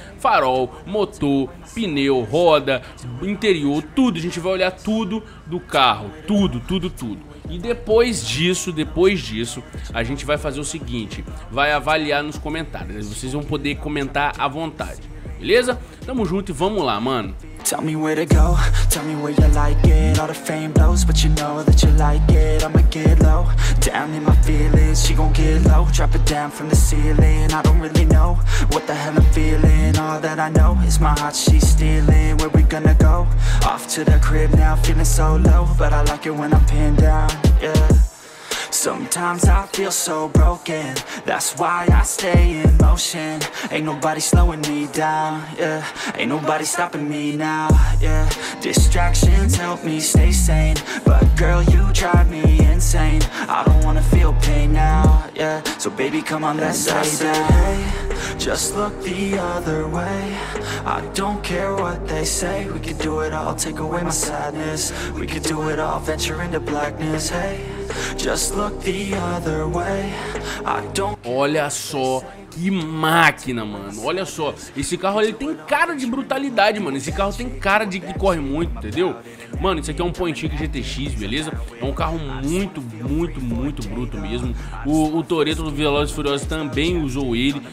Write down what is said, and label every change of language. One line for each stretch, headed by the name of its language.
Portuguese: Farol, motor, pneu, roda, interior, tudo. A gente vai olhar tudo do carro. Tudo, tudo, tudo. E depois disso, a gente vai fazer o seguinte. Vai avaliar nos comentários. Vocês vão poder comentar à vontade, beleza? Tamo junto e vamos lá, mano.
English: Tell me where to go, tell me where you like it. All the fame blows, but you know that you like it. I'ma get low, down in my feelings. She gon' get low, drop it down from the ceiling. I don't really know what the hell I'm feeling. All that I know is my heart she's stealing. Where we gonna go? Off to the crib now, feeling so low. But I like it when I'm pinned down, yeah. Sometimes I feel so broken. That's why I stay in motion. Ain't nobody slowing me down, yeah. Ain't nobody stopping me now, yeah. Distractions help me stay sane. But girl, you drive me insane. I don't wanna feel pain now, yeah. So baby, come on, let's lay down. Hey, just look the other way. I don't care what they say. We could do it all, take away my sadness. We could do it all, venture into blackness. Hey, just look the other way. I don't.
Portuguese: Olha só que máquina, mano. Olha só, esse carro ele tem cara de brutalidade, mano. Esse carro tem cara de que corre muito, entendeu? Mano, isso aqui é um Pontiac GTX, beleza? É um carro muito, muito, muito bruto mesmo. O Toretto do Velozes e Furiosos também usou ele.